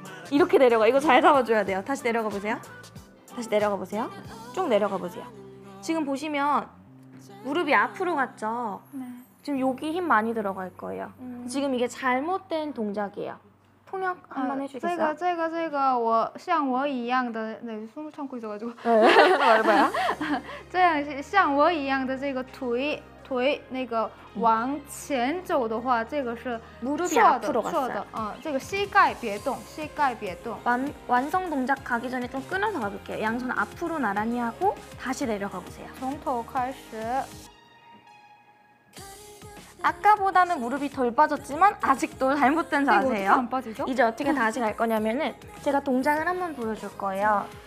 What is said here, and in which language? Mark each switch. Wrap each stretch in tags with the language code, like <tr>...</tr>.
<ko>이렇게 내려가. 이거 잘 잡아줘야 돼요. 다시 내려가 보세요. 다시 내려가 보세요. 쭉 내려가 보세요. 지금 보시면 무릎이 앞으로 갔죠? 네. 지금 여기 힘 많이 들어갈 거예요. 지금 이게 잘못된 동작이에요. 통역 한번 해주세요. 제가, 제가, 제가,</ko> <zh>我, 像我一样的,</zh> <ko>네, 숨을 참고 있어가지고. 말해봐요.</ko> <zh>这样, 像我一样的这个腿.腿那个往前走的话，这个是</zh> <ko>무릎이 앞으로 갔어요.</ko> <zh>这个膝盖别动，膝盖别动。</zh> <ko>완성 동작 가기 전에 좀 끊어서 가볼게요. 양손 앞으로 나란히 하고 다시 내려가 보세요.</ko> <zh>从头开始.</zh> <ko>아까보다는 무릎이 덜 빠졌지만 아직도 잘못된 자세예요. 이거 어떻게 안 빠지죠? 이제 어떻게 다시 갈 거냐면은 제가 동작을 한번 보여줄 거예요.</ko>